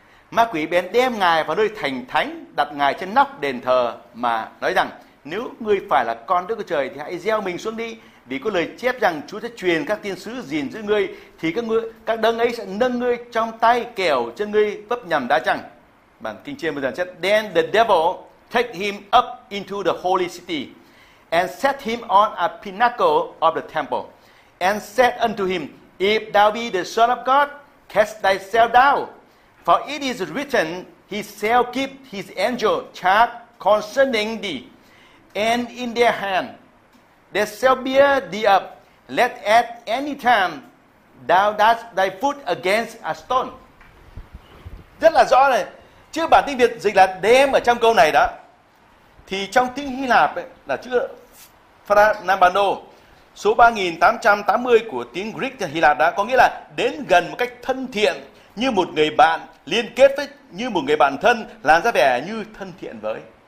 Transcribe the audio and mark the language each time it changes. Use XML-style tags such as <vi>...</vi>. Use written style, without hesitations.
<vi>Ma quỷ bèn đem Ngài vào nơi thành thánh, đặt Ngài trên nóc đền thờ mà nói rằng, nếu ngươi phải là con Đức Chúa Trời thì hãy gieo mình xuống đi, vì có lời chép rằng Chúa sẽ truyền các thiên sứ gìn giữ ngươi, thì các đấng ấy sẽ nâng ngươi trong tay, kẻo chân ngươi vấp nhầm đá chăng. Bản King James Version chép,</vi> <en>then the devil take him up into the holy city and set him on a pinnacle of the temple and said unto him, if thou be the Son of God, cast thyself down. For it is written, he shall keep his angel charge concerning thee. And in their hand, they shall bear thee up, let at any time thou dash thy foot against a stone.</en> <vi>Rất là rõ này. Chứ bản tiếng Việt dịch là đem ở trong câu này đó. Thì trong tiếng Hy Lạp ấy, là chữ phanambano. Số 3880 của tiếng Greek Hy Lạp đã có nghĩa là đến gần một cách thân thiện như một người bạn, liên kết với như một người bạn thân, làm ra vẻ như thân thiện với.</vi>